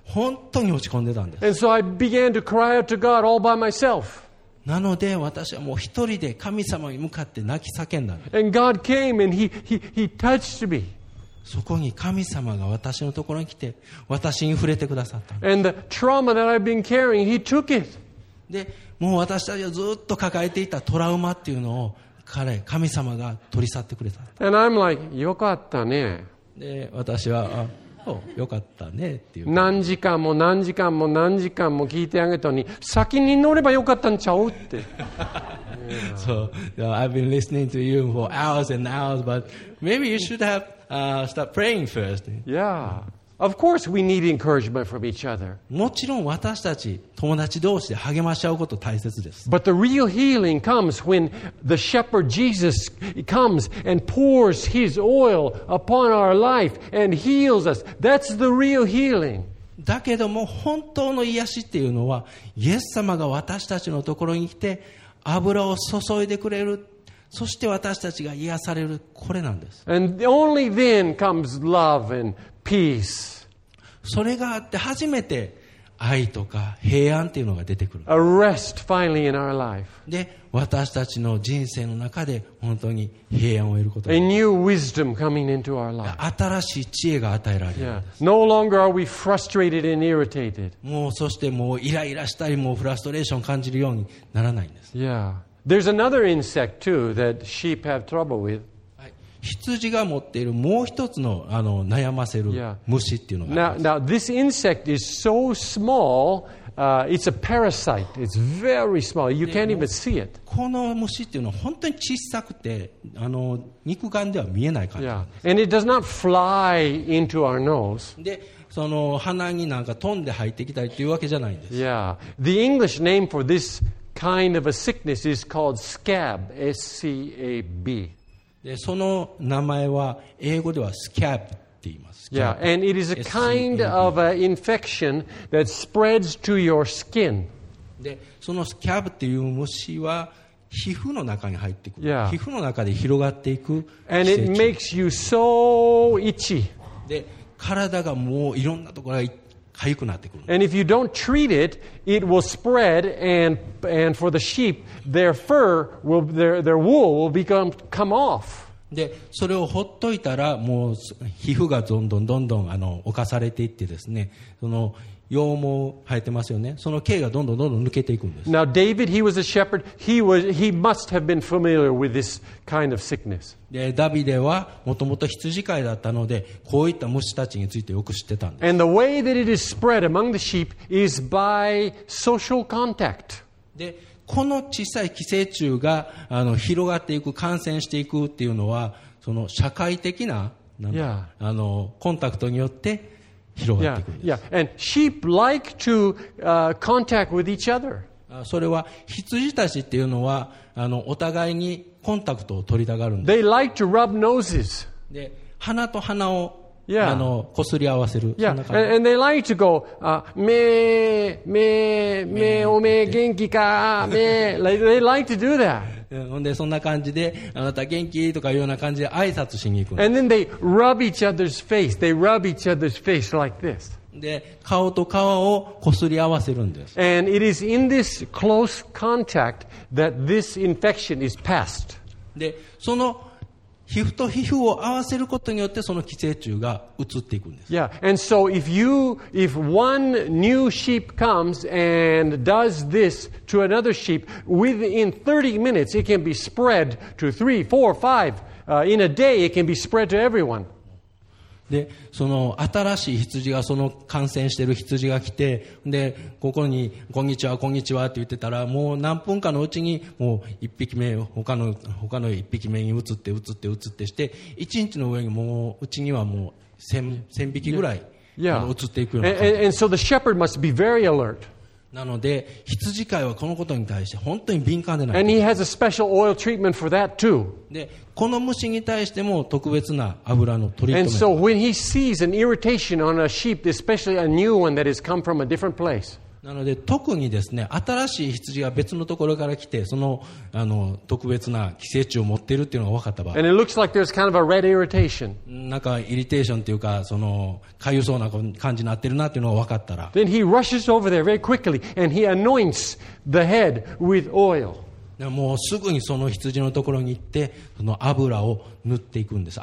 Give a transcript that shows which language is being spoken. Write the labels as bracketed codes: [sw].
[ja] 本当に落ち込んでたんです。 [en] And so I began to cry out to God all by myself. [ja] なので私はもう一人で神様に向かって泣き叫んだ。 [en] And God came and he touched me. [ja] そこに神様が私のところに来て私に触れてくださった。 [en] And the trauma that I've been carrying, he took it. [ja] で、もう私たちがずっと抱えていたトラウマっていうのを彼、神様が取り去ってくれた。 [en] And I'm like, [ja] よかったね。で、私は、よかったねっていう。何時間も何時間も何時間も聞いてあげたのに先に乗ればよかったんちゃうって。 [en] So, I've been listening to you for hours and hours, but maybe you should have start praying first. Yeah, of course we need encouragement from each other. [ja] もちろん私たち友達同士で励まし合うこと大切です。 [en] But the real healing comes when the shepherd Jesus comes and pours his oil upon our life and heals us. That's the real healing. [ja] だけども本当の癒しっていうのは、イエス様が私たちのところに来て油を注いでくれる。そして私たちが癒されるこれなんです。 [en] And only then comes love and peace. [ja] それがあって初めて愛とか平安っていうのが出てくる。 [en] A rest finally in our life. [ja] で、私たちの人生の中で本当に平安を得ること [en] が。A new wisdom coming into our life. [ja] 新しい知恵が与えられるんです。 [en] No longer are we frustrated and irritated. [ja] もうそしてもうイライラしたりもうフラストレーション感じるようにならないんです。 [en] Yeah. There's another insect too that sheep have trouble with. [ja] 羊が持っているもう一つの悩ませる虫っていうのがあります。 [en] Now this insect is so small, it's a parasite. It's very small. You can't even see it. [ja] この虫っていうのは本当に小さくて肉眼では見えない感じ。 [en] Yeah. And it does not fly into our nose. [ja] で、その鼻になんか飛んで入ってきたりというわけじゃないんです。 [en] Yeah. The English name for thiskind of a sickness is called scab, S-C-A-B. [ja] で、その名前は英語ではスキャブって言います。 [en] Yeah, and it is a kind of an infection that spreads to your skin. [ja] で、そのスキャブっていう虫は皮膚の中に入ってくる。 [en] Yeah. [ja] 皮膚の中で広がっていく。 [en] And it makes you so itchy. [ja] で、体がもういろんなところが痒くなってくる。 [en] And if you don't treat it, it will spread and for the sheep, their fur will their wool will become come off. [ja] で、それを放っといたらもう皮膚がどんどんどんどん侵されていってですね、その羊毛生えてますよね。その毛がどんどんどんどん抜けていくんです。 [en] Now David, he was a shepherd. He must have been familiar with this kind of sickness. [ja] で、ダビデはもともと羊飼いだったので、こういった虫たちについてよく知ってたんです。 [en] And the way that it is spread among the sheep is by social contact. [ja] で、この小さい寄生虫が広がっていく、感染していくっていうのは、その社会的な、 [en] yeah. [ja] コンタクトによって。 [en] Yeah, yeah, and sheep like to contact with each other. [ja] それは羊たちっていうのはお互いにコンタクトを取りたがるんです。 [en] They like to rub noses. [ja] で、鼻と鼻を [en] yeah. [ja] こすり合わせる。 [en] Yeah, and they like to go, me, me, me, [ja] おめえ元気か、 [en] me. They like to do that. [ja] ほんで、そんな感じで、あなた元気とかいうような感じで挨拶しに行くんです。 [en] And then they rub each other's face. They rub each other's face like this. [ja] で、顔と顔をこすり合わせるんです。 [en] And it is in this close contact that this infection is passed. [ja] で、その皮膚と皮膚を合わせることによってその寄生虫が移っていくんです。 [en] Yeah, and so if you, if one new sheep comes and does this to another sheep, within 30 minutes it can be spread to 3, 4, 5, in a day it can be spread to everyone. [ja] で、その新しい羊がその感染してる羊が来て、で、ここにこんにちは、こんにちはって言ってたら、もう何分かのうちにもう一匹目、他の一匹目に移って移って移ってして、一日の上にもううちにはもう千匹ぐらい移っていくような感じ。 [en] Yeah. And so the shepherd must be very alert. [ja] なので、羊飼いはこのことに対して本当に敏感でない。 [en] And he has a special oil treatment for that too. [ja] で、この虫に対しても特別な油のトリートメント。 [en] And so when he sees an irritation on a sheep, especially a new one that has come from a different place. [ja] なので特にですね、新しい羊が別のところから来て、その特別な寄生虫を持っているっていうのが分かった場合。 [en] And it looks like there's kind of a red irritation. [ja] なんかイリテーションっていうか、その痒そうな感じになってるなっていうのが分かったら。 [en] Then he rushes over there very quickly and he anoints the head with oil. [ja] もうすぐにその羊のところに行ってその油を塗っていくんです。